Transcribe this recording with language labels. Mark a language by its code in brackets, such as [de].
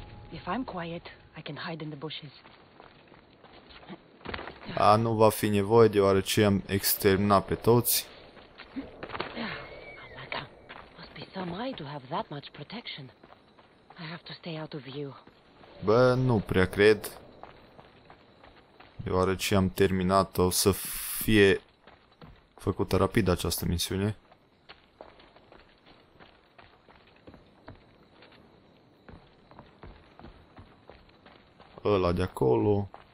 [en] If I'm quiet, I can hide in the bushes. [ro] A, nu va fi nevoie, deoarece am exterminat pe toți. [en] Must be some eye to have that much protection. I have to stay out of view. [ro] Bă, nu prea cred. Deoarece am terminat, o să fie făcută rapid această misiune. Ăla de acolo.